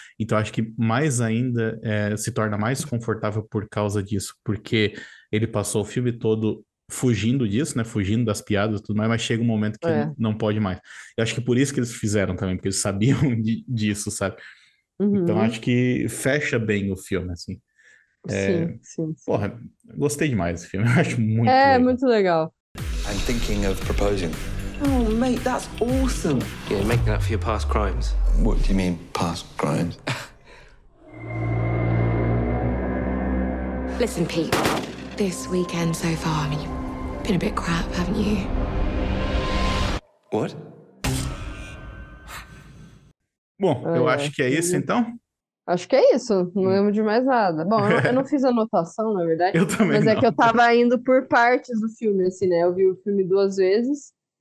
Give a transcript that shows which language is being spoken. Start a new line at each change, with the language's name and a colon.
Portuguese: Então, acho que mais ainda se torna mais confortável por causa disso, porque ele passou o filme todo fugindo disso, né? Fugindo das piadas e tudo mais, mas chega um momento que não pode mais. Eu acho que por isso que eles fizeram também, porque eles sabiam disso, sabe? Então, acho que fecha bem o filme, assim. Sim. Porra, gostei demais do filme. Eu acho muito legal. É, muito legal.
English: I'm thinking of proposing. Oh, mate, that's awesome. Yeah, making up for your past crimes. What do you mean, past crimes? Listen, Pete. This weekend so far, I mean, you've been a bit crap, haven't you? What?
Portuguese: Bom, eu acho que é isso, então. Acho que é isso, não lembro de mais nada. Bom, eu não fiz anotação, na verdade. Eu também mas não. É que eu tava indo por partes do filme, assim, né? Eu vi o filme duas vezes.